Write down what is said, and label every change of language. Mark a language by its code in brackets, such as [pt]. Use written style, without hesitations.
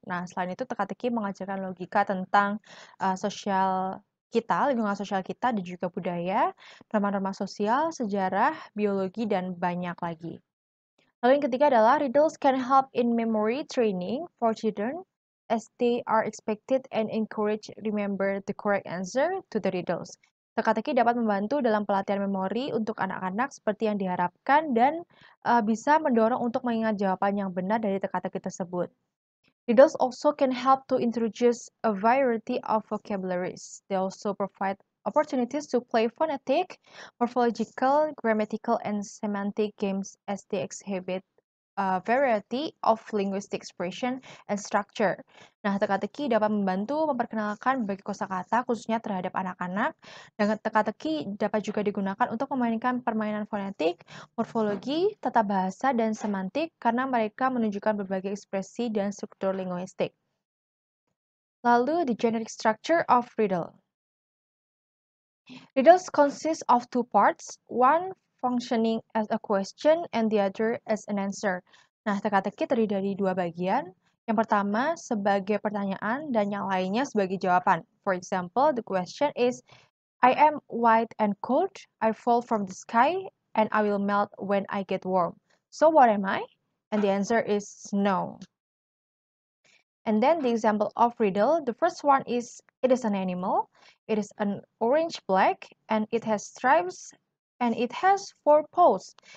[id] Nah, selain itu, teka-teki mengajarkan logika tentang sosial kita, lingkungan sosial kita, dan juga budaya, norma-norma sosial, sejarah, biologi, dan banyak lagi. Lalu yang ketiga adalah, [en] riddles can help in memory training for children as they are expected and encouraged to remember the correct answer to the riddles. [id] Teka-teki dapat membantu dalam pelatihan memori untuk anak-anak seperti yang diharapkan dan bisa mendorong untuk mengingat jawaban yang benar dari teka-teki tersebut. [en] Riddles also can help to introduce a variety of vocabularies. They also provide opportunities to play phonetic, morphological, grammatical, and semantic games as they exhibit a variety of linguistic expression and structure. [id] Nah, teka-teki dapat membantu memperkenalkan berbagai kosakata khususnya terhadap anak-anak. Dan teka-teki dapat juga digunakan untuk memainkan permainan fonetik, morfologi, tata bahasa, dan semantik karena mereka menunjukkan berbagai ekspresi dan struktur linguistik. Lalu, [en] the generic structure of riddle. Riddles consist of two parts, one functioning as a question and the other as an answer. [id] Nah, teka-teki terdiri dari dua bagian. Yang pertama sebagai pertanyaan dan yang lainnya sebagai jawaban. [en] For example, the question is, I am white and cold, I fall from the sky, and I will melt when I get warm. So what am I? And the answer is snow. And then the example of riddle, the first one is, it is an animal, it is an orange black, and it has stripes, and it has four paws.